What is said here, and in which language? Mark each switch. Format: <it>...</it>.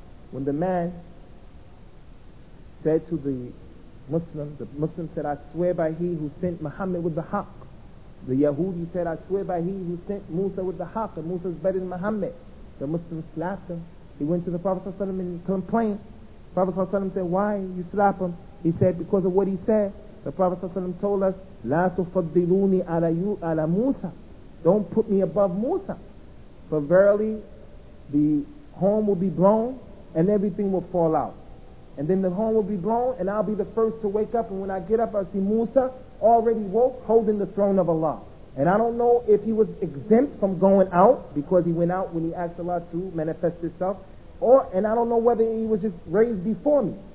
<en>When the man said to the Muslim said, I swear by he who sent Muhammad with the haq. The Yahudi said, I swear by he who sent Musa with the haq, and Musa is better than Muhammad. The Muslim slapped him. He went to the Prophet ﷺ and complained. The Prophet ﷺ said, why you slap him? He said, because of what he said. The Prophet ﷺ told us,</en> <ar>لا تفضلوني على موسى.</ar> <en>Don't put me above Musa. For verily, the horn will be blown and everything will fall out. And then the horn will be blown and I'll be the first to wake up. And when I get up, I see Musa already woke, holding the throne of Allah. And I don't know if he was exempt from going out, because he went out when he asked Allah to manifest himself, and I don't know whether he was just raised before me.</en>